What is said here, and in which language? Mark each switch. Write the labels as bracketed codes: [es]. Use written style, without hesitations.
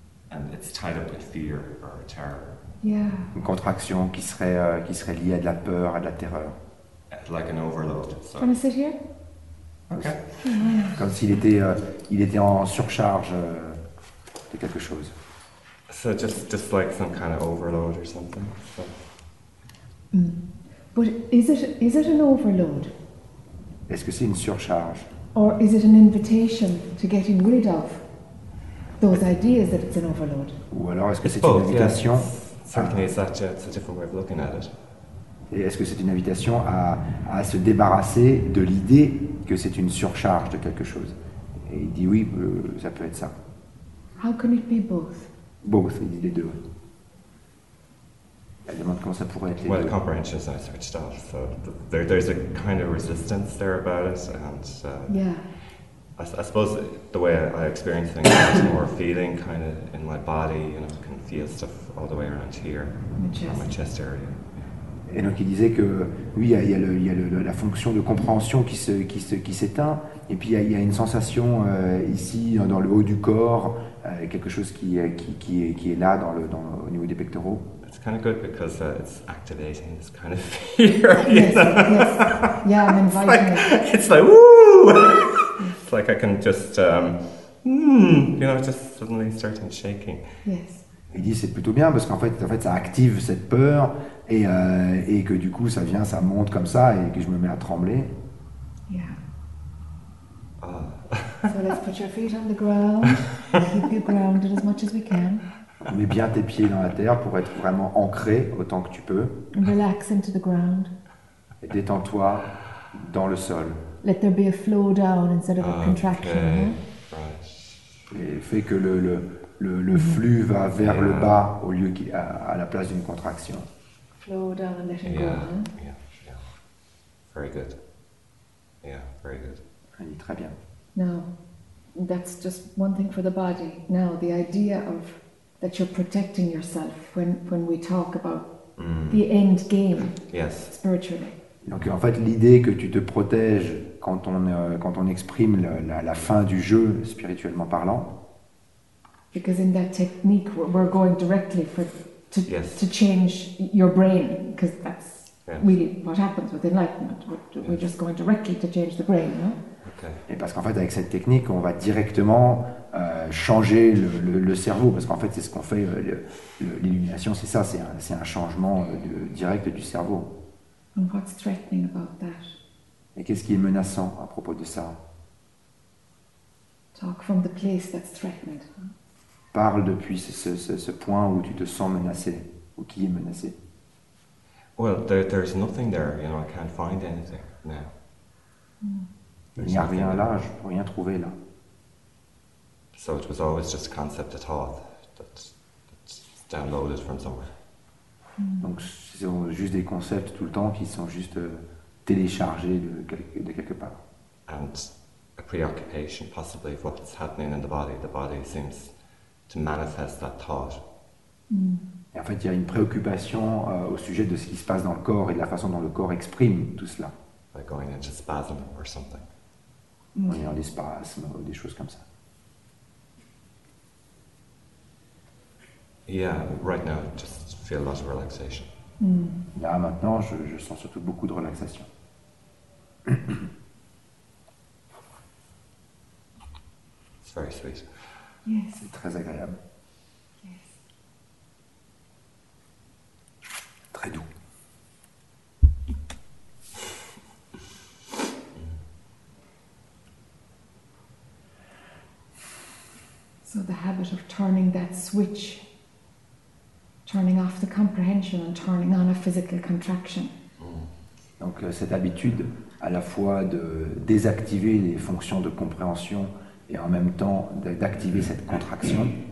[en] And it's tied up with fear or terror. Yeah. [fr] Une contraction qui serait liée à de la peur, à de la terreur. [en] Like an overload. So. Can I sit here? Okay. [fr] Comme s'il était en surcharge. de quelque chose. [en] So just like some kind of overload or something. So. But is it an overload? [fr] Est-ce que c'est une surcharge? [en] Or is it an invitation to getting rid of those ideas that it's an overload? [fr] Ou alors est-ce que c'est une invitation? [en] Yes. Certainly, it's a different way of looking at it. [fr] Et est-ce que c'est une invitation à se débarrasser de l'idée que c'est une surcharge de quelque chose? Et il dit oui, ça peut être ça. [en] How can it be both? [fr] Both, il dit les deux. Elle demande comment ça pourrait être les [en] well, [fr] deux. [en] Well, the comprehension is not switched off, so there's a kind of resistance there about it, and yeah. I suppose the way I experience things is more feeling kind of in my body, you know, I can feel stuff all the way around here, on my chest area. [fr] Et donc il disait que oui, il y a la fonction de compréhension qui s'éteint, et puis il y a une sensation ici dans le haut du corps, quelque chose qui est là au niveau des pectoraux. [en] It's kind of good because it's activating this kind of fear. Yes, yes. Yeah, I'm inviting it's like, it. It's like ooh. It's like I can just you know, just suddenly starting shaking. Yes. [fr] Il dit c'est plutôt bien parce qu'en fait, ça active cette peur et que du coup ça vient, ça monte comme ça et que je me mets à trembler. [en] Yeah. Oh. So let's put your feet on the ground. Keep you grounded as much as we can. [fr] Mets bien tes pieds dans la terre pour être vraiment ancré autant que tu peux. [en] Relax into the ground. [fr] Et détends-toi dans le sol. [en] Let there be a flow down instead of a contraction. Okay. [fr] Et fais que le flux va vers le bas au lieu à la place d'une contraction. [en] Flow down and let it go. Yeah. Very good. Yeah, very good. [fr] Il dit très bien. [en] Now, that's just one thing for the body. Now, the idea of that you're protecting yourself when we talk about the end game. Yes. Spiritually. [fr] Donc en fait l'idée que tu te protèges quand on exprime la fin du jeu spirituellement parlant. [en] Because in that technique we're going directly to change your brain, because that's really what happens with enlightenment. We're just going directly to change the brain, no? Okay. [fr] Et parce qu'en fait avec cette technique on va directement changer le cerveau, parce qu'en fait c'est ce qu'on fait, l'illumination c'est ça, c'est un changement direct du cerveau. [en] And what's threatening about that? [fr] Et qu'est-ce qui est menaçant à propos de ça? [en] Talk from the place that's threatened. [fr] Parle depuis ce point où tu te sens menacé, ou qui est menacé. [en] Well, there's nothing there, you know, I can't find anything now. [fr] Il n'y a rien là, je ne peux rien trouver là. [en] So it was always just a concept of thought that's downloaded from somewhere. [fr] Donc c'est juste des concepts tout le temps qui sont juste téléchargés de quelque part. [en] And a preoccupation possibly of what's happening in the body. The body seems to manifest that thought. [fr] Et en fait, il y a une préoccupation au sujet de ce qui se passe dans le corps et de la façon dont le corps exprime tout cela. [en] Like going into spasm or something. [fr] Oui, en spasme ou des choses comme ça. [en] Yeah, right now, just feel lots of relaxation. [fr] Là, maintenant, je sens surtout beaucoup de relaxation. [en] It's very sweet. Yes. [fr] C'est très agréable. [en] Yes. [fr] Très doux. [en] So the habit of turning that switch, turning off the comprehension and turning on a physical contraction. [fr] Donc cette habitude à la fois de désactiver les fonctions de compréhension et en même temps d'activer cette contraction.